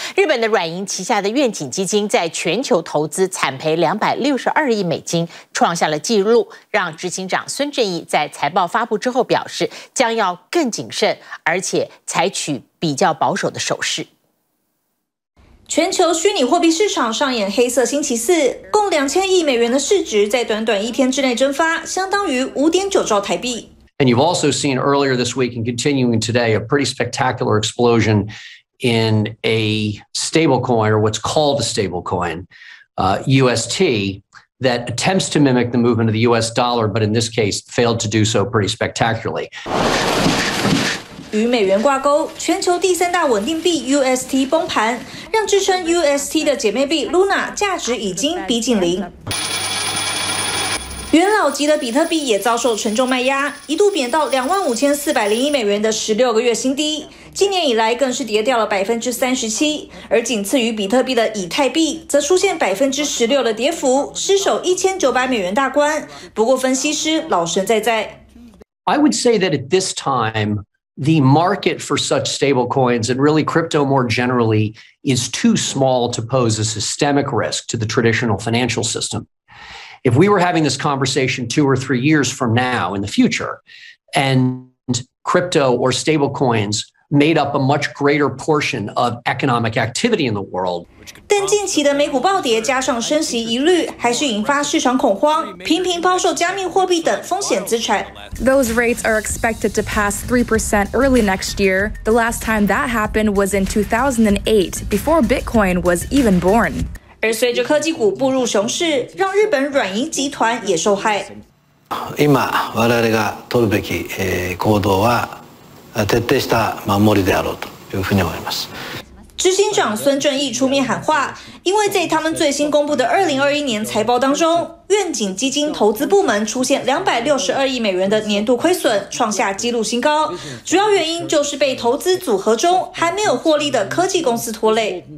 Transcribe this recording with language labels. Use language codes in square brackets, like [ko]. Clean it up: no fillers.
[zh] 日本的软银旗下的愿景基金在全球投资惨赔262亿美金，创下了纪录，让执行长孙正义在财报发布之后表示，将要更谨慎，而且采取比较保守的手势。全球虚拟货币市场上演黑色星期四，共2000亿美元的市值在短短一天之内蒸发，相当于5.9兆台币。 [en] And you've also seen earlier this week and continuing today a pretty spectacular explosion. In a stable coin, or what's called a stable coin, UST, that attempts to mimic the movement of the US dollar, but in this case failed to do so pretty spectacularly. [zh] 与美元挂钩，全球第三大稳定币 UST 崩盘，让支撑 UST 的姐妹币 Luna 价值已经逼近零。元老级的比特币也遭受沉重卖压，一度贬到25,401美元的16个月新低，今年以来更是跌掉了37%，而仅次于比特币的以太币则出现16%的跌幅，失守1900美元大关。不过分析师老神在在 [en] ，I would say that at this time the market for such stable coins and really crypto more generally is too small to pose a systemic risk to the traditional financial system. If we were having this conversation 2 or 3 years from now in the future, and crypto or stable coins made up a much greater portion of economic activity in the world. [zh] 但近期的美股暴跌加上升息疑虑，还是引发市场恐慌，频频抛售加密货币等风险资产。 [en] Those rates are expected to pass 3% early next year. The last time that happened was in 2008, before Bitcoin was even born. [zh] 而随着科技股步入熊市，让日本软银集团也受害。 [ja] 今我々が取るべき行動は徹底した守りであろうというふうに思います。 [zh] 执行长孙正义出面喊话，因为在他们最新公布的2021年财报当中，愿景基金投资部门出现262亿美元的年度亏损，创下纪录新高。主要原因就是被投资组合中还没有获利的科技公司拖累。